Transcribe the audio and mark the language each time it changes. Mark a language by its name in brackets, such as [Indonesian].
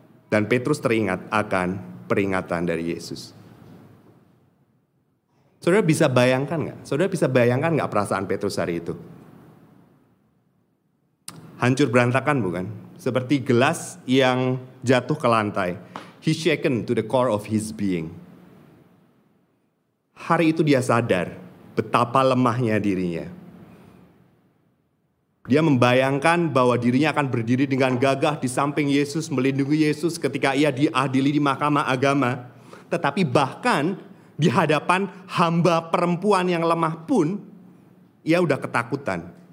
[Indonesian] Dan Petrus teringat akan peringatan dari Yesus. Saudara bisa bayangkan gak? Saudara bisa bayangkan gak perasaan Petrus hari itu? Hancur berantakan bukan? Seperti gelas yang jatuh ke lantai. [English] He shaken to the core of his being. [Indonesian] Hari itu dia sadar betapa lemahnya dirinya. Dia membayangkan bahwa dirinya akan berdiri dengan gagah di samping Yesus, melindungi Yesus ketika ia diadili di mahkamah agama. Tetapi bahkan di hadapan hamba perempuan yang lemah pun, ia udah ketakutan.